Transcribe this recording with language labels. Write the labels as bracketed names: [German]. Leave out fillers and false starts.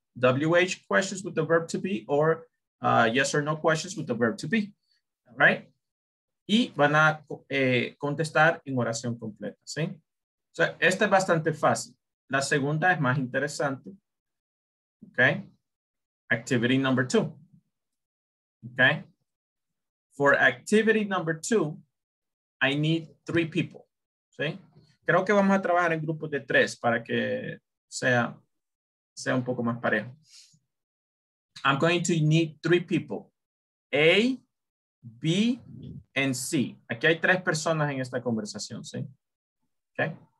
[English] WH questions with the verb to be or yes or no questions with the verb to be. All right. [Spanish] Y van a contestar en oración completa, ¿sí? O sea, esta es bastante fácil. La segunda es más interesante. ¿Ok? [English] Activity number two. ¿Ok? For activity number two, I need three people. [Spanish] ¿Sí? Creo que vamos a trabajar en grupos de tres para que sea un poco más parejo. [English] I'm going to need three people. A, B and C. [Spanish] Aquí hay tres personas en esta conversación, ¿sí? Okay.